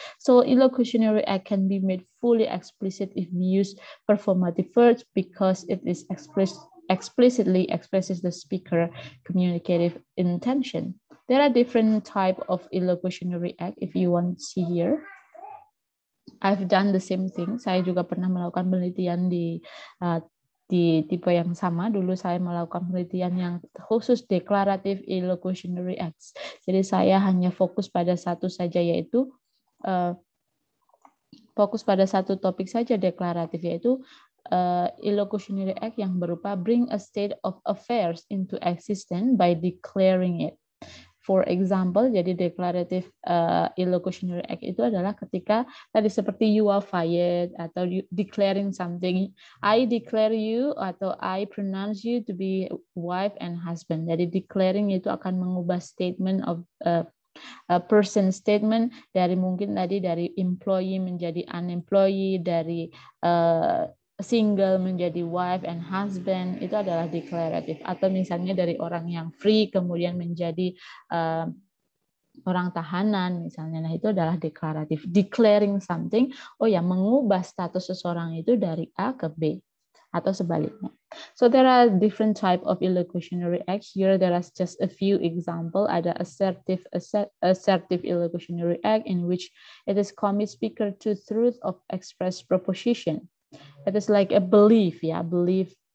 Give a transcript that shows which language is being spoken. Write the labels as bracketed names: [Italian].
[English] So illocutionary act can be made fully explicit if we use performative verbs because it is explicitly expresses the speaker communicative intention. There are different types of illocutionary act if you want to see here. I've done the same thing. [Indonesian] Saya juga pernah melakukan penelitian di tipe yang sama. Dulu saya melakukan penelitian yang khusus declarative illocutionary acts. Jadi saya hanya fokus pada satu saja, yaitu fokus pada satu topik saja declarative, yaitu illocutionary act yang berupa [English] bring a state of affairs into existence by declaring it. For example, jadi declarative illocutionary act [Indonesian] itu adalah ketika tadi seperti [English] you are fired atau you declaring something. I declare you atau I pronounce you to be wife and husband. [Indonesian] Jadi declaring itu akan mengubah statement of a person statement dari mungkin tadi dari employee menjadi unemployed, dari single menjadi [English] wife and husband, [Indonesian] itu adalah declarative. Atau misalnya dari orang yang free kemudian menjadi orang tahanan misalnya, nah itu adalah declarative. Declaring something, oh ya, mengubah status seseorang itu dari A ke B atau sebaliknya. [English] So there are different type of illocutionary acts. Here there are just a few example. [Indonesian] Ada [English] assertive illocutionary act in which it is commit speaker to truth of express proposition. It is like a belief, yeah, belief.